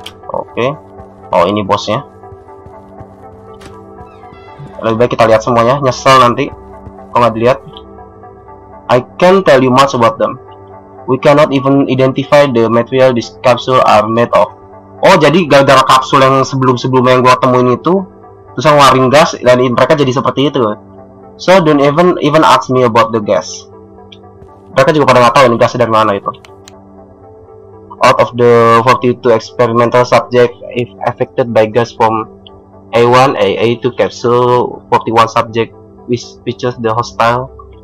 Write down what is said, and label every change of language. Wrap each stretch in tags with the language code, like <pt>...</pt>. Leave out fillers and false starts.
<id>Okay. Oh, ini bosnya. Lebih baik kita lihat semuanya, nyesel nanti kalau nggak dilihat.</id> <en>I can't tell you much about them. We cannot even identify the material this capsule are made of.</en> <id>Oh, jadi gara-gara kapsul yang sebelum-sebelumnya yang gua temuin itu terus ngeluarin gas dan mereka jadi seperti itu.</id> <en>So don't even ask me about the gas.</en> <id>Mereka juga pada nggak tahu ini gas dari mana itu.</id> <en>Out of the 42 experimental subjects, if affected by gas from A1, A2 capsule, 41 subject which features the hostile.</en>